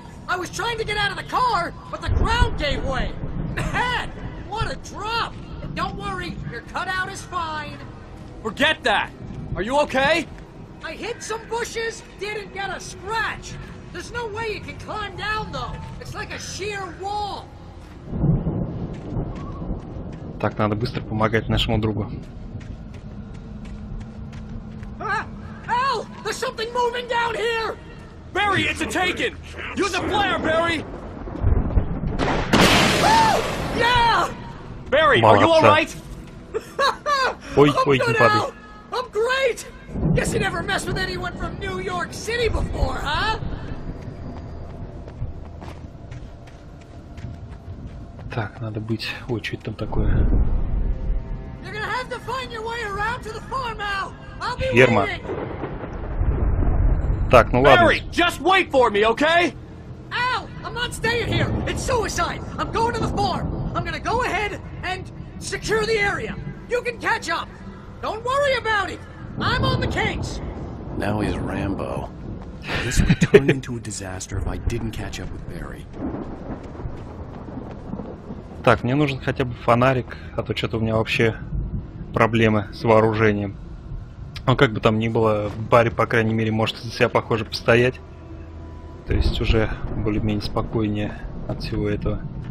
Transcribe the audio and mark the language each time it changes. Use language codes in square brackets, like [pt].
[en] I was trying to get out of the car, but the ground gave way. Man, what a drop! Don't worry, your cutout is fine. Forget that. Are you okay? I hit some bushes, didn't get a scratch. There's no way you can climb down though. It's like a sheer wall. [ru] Так, надо быстро помогать нашему другу. [en] Al, there's something moving down here. Barry, it's a taken. Use a flare, Barry. Yeah. Barry, are you all right? [ru] Ой, ой, не падай. [en] I'm great. Guess you never messed with anyone from New York City before, huh? [ru] Так, надо быть. Ой, что это там такое? [en] You're gonna have to find your way around to the farm, Al. [ru] Ферма. Так, ну [en] Barry, [ru] ладно. [en] Just wait for me, okay? Al, I'm not staying here. It's suicide. I'm going to the farm. I'm gonna go ahead and secure the area. You can catch up. Don't worry about it. I'm on the case. Now he's Rambo. This would turn into a disaster if I didn't catch up with Barry. [ru] Так, мне нужен хотя бы фонарик, а то что-то у меня вообще проблемы с вооружением. Ну, как бы там ни было, Барри, по крайней мере, может за себя, похоже, постоять. То есть уже более-менее спокойнее от всего этого.